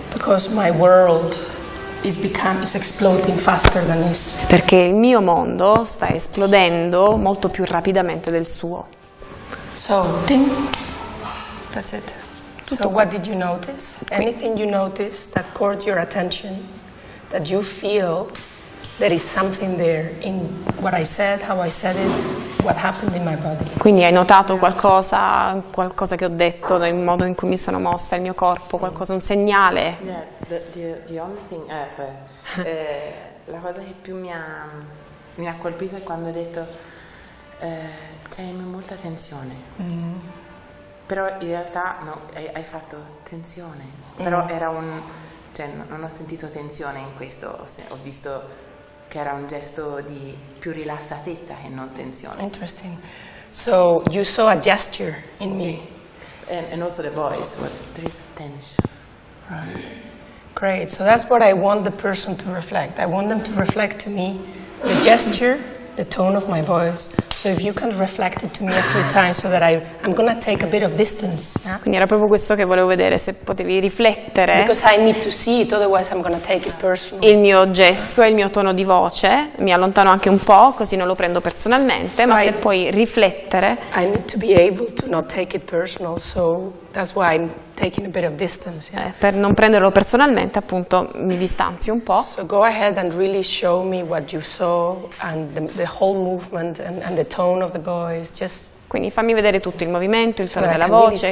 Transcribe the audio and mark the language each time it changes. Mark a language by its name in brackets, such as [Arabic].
[English] Because my world is exploding faster than his. [Italian] Perché il mio mondo sta esplodendo molto più rapidamente del suo. [English] So, ding. That's it. [Italian] Tutto [English] so, what did you notice? [Italian] Qui. [English] Anything you notice that caught your attention, that you feel there is something there in what I said, how I said it? What happened in my body. [Italian] Quindi hai notato qualcosa che ho detto nel modo in cui mi sono mossa il mio corpo, qualcosa, un segnale? [English] Yeah, the only thing ever. [Italian] La cosa che più mi ha colpito è quando hai detto c'è in me molta tensione. Però in realtà no, hai fatto tensione. Però era un non ho sentito tensione in questo, ho visto che era un gesto di più rilassatezza e non tensione. [English] Interesting. So you saw a gesture in me. And also the voice, but there is a tension. Right. Great. So that's what I want the person to reflect. I want them to reflect to me the gesture, the tone of my voice. So if you can reflect it to me a few times so that I'm gonna take a bit of distance. [Italian] Quindi era proprio questo che volevo vedere, se potevi riflettere. [English] Because I need to see it, otherwise I'm gonna take it personally. [Italian] Il mio gesto e il mio tono di voce, mi allontano anche un po', così non lo prendo personalmente, ma se puoi riflettere. [English] I need to be able to not take it personal, so that's why I'm taking a bit of distance. Yeah. [Italian] Per non prenderlo personalmente, appunto, mi distanzio un po'. [English] So go ahead and really show me what you saw and the whole movement and the tone of the voice. Just [Italian] quindi fammi vedere tutto il movimento, il tono della voce.